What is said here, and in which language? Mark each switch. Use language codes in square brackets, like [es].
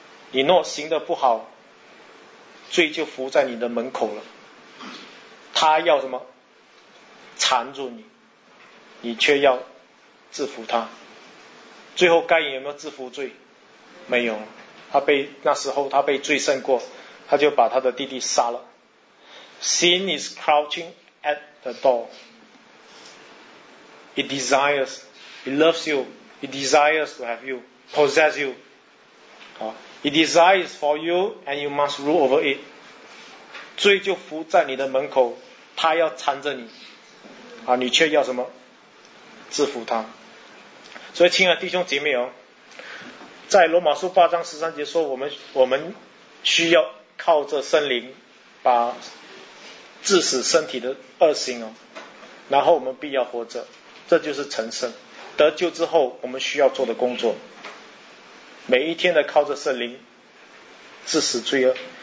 [zh] 你若行得不好，罪就伏在你的门口了，他要什么缠住你，你却要制服他。最后该隐有没有制服罪？没有，他被那时候他被罪胜过，他就把他的弟弟杀了。 [en] Sin is crouching at the door. It desires, it loves you, it desires to have you, possess you. It desires for you and you must rule over it. [zh] 罪就伏在你的门口，他要缠着你，啊，你却要什么制服他。所以亲爱的弟兄姐妹，哦，在罗马书八章十三节说，我们需要靠着圣灵把致死身体的恶行，哦，然后我们必要活着，这就是成圣得救之后我们需要做的工作，每一天的靠着圣灵致死罪恶。